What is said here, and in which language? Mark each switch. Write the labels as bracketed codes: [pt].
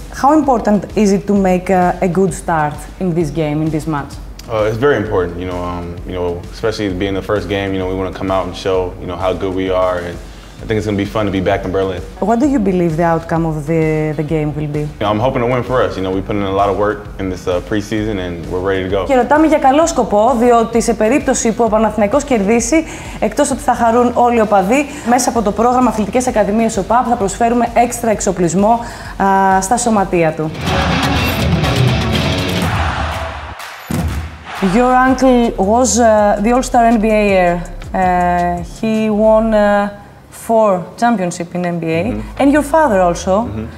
[en] How important is it to make a good start in this game, in this match? It's very important, especially being the first game, we want to come out and show, how good we are. And I think it's going to be fun to be back in Berlin. What do you believe the outcome of the game will be? I'm hoping to win for us. We put in a lot of work in this preseason and we're ready to go. [el] Και ρωτάμε για καλό σκοπό, διότι σε περίπτωση που ο Παναθηναϊκός κερδίσει, εκτός ότι θα χαρούν όλοι οι οπαδοί, μέσα από το πρόγραμμα Αθλητικές Ακαδημίες ΟΠΑΠ θα προσφέρουμε έξτρα εξοπλισμό στα σωματεία του. [en] Your uncle was the All-Star NBA-er. He won 4 championship in NBA, and your father also.